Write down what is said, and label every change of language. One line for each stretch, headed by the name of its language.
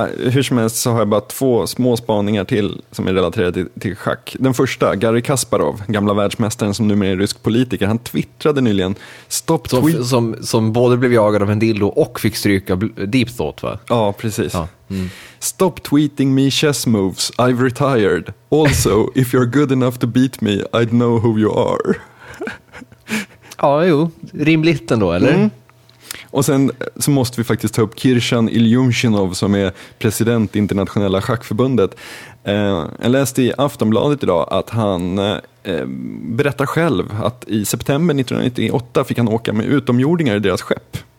Swedish: Hur som helst så har jag bara två små spaningar till som är relaterade till schack. Den första, Garry Kasparov, gamla världsmästaren som numera är rysk politiker. Han twittrade nyligen... Som både blev jagad av en dildo och fick stryka Deep Thought, va? Ja, precis. Ja. Mm.
English: Stop tweeting me chess moves, I've retired. Also, if you're good enough to beat me, I'd know who you are.
Swedish: Ja, jo, rimligt ändå, eller? Mm. Och sen så måste vi faktiskt ta upp Kirshan Ilyushinov som är president i Internationella Schackförbundet. Jag läste i Aftonbladet idag att han berättar själv att i september 1998 fick han åka med utomjordingar i deras skepp.